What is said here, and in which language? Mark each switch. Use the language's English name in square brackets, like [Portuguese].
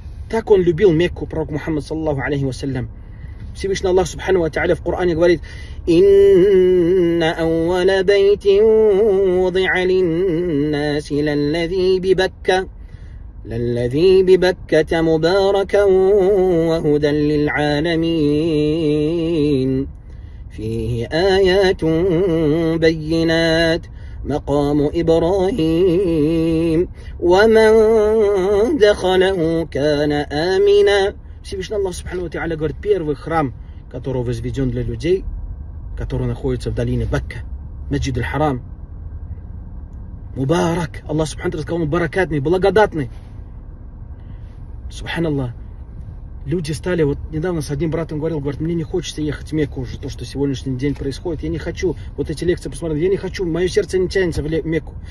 [Russian] Так он любил Мекку, пророк Мухаммад саллаллаху алейхи ва саллям. Всевышний Аллах субхану ва тааля в Коране говорит: [Arabic] «Инна ауала байтин вуди'а лин-наси лал-лази бибакка, лал-лази бибакката мубаракан ва худан лил-аламин». فيه آيات بينات مقام إبراهيم ومن دخله كان آمنا. [Russian] Всевышний Аллах Субхану ва Тааля говорит: первый храм, который возведен для людей, который находится в долине Бакка, Маджид аль-Харам, Мубарак, Аллах Субхану ва Тааля сказал, он баракатный, благодатный. Субханаллах. Люди стали, вот недавно с одним братом говорил, говорит, мне не хочется ехать в Мекку уже, то, что сегодняшний день происходит, я не хочу, вот эти лекции посмотрел, я не хочу, мое сердце не тянется в Мекку.